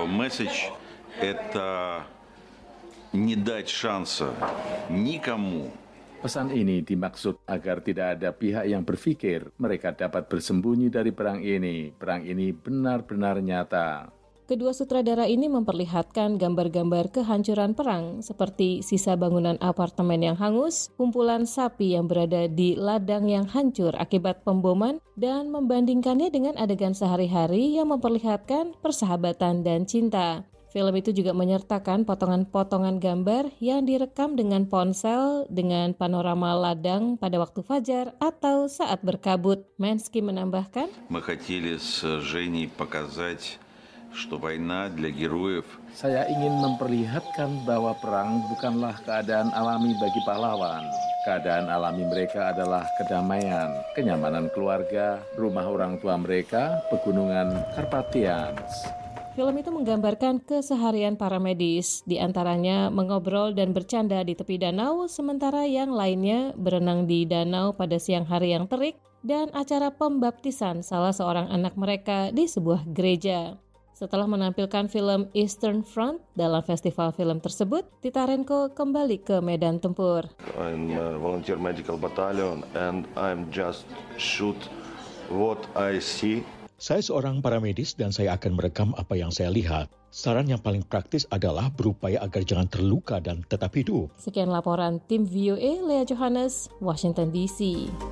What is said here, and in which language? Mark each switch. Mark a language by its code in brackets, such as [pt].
[ru] Message это не дать шанса никому. [id] Pesan ini dimaksud agar tidak ada pihak yang berpikir mereka dapat bersembunyi dari perang ini. Perang ini benar-benar nyata. Kedua sutradara ini memperlihatkan gambar-gambar kehancuran perang seperti sisa bangunan apartemen yang hangus, kumpulan sapi yang berada di ladang yang hancur akibat pemboman, dan membandingkannya dengan adegan sehari-hari yang memperlihatkan persahabatan dan cinta. Film itu juga menyertakan potongan-potongan gambar yang direkam dengan ponsel dengan panorama ladang pada waktu fajar atau saat berkabut. Mansky menambahkan, [ru] Мы хотели с Женей показать что война для героев. [id] Saya ingin memperlihatkan bahwa perang bukanlah keadaan alami bagi pahlawan. Keadaan alami mereka adalah kedamaian, kenyamanan keluarga, rumah orang tua mereka, pegunungan Carpathians. Film itu menggambarkan keseharian para medis, di antaranya mengobrol dan bercanda di tepi danau, sementara yang lainnya berenang di danau pada siang hari yang terik, dan acara pembaptisan salah seorang anak mereka di sebuah gereja. Setelah menampilkan film Eastern Front dalam festival film tersebut, Titarenko kembali ke medan tempur. [en] I'm a volunteer medical battalion and I'm just shoot what I see. [id] Saya seorang paramedis dan saya akan merekam apa yang saya lihat. Saran yang paling praktis adalah berupaya agar jangan terluka dan tetap hidup. Sekian laporan tim VOA, Lea Johannes, Washington DC.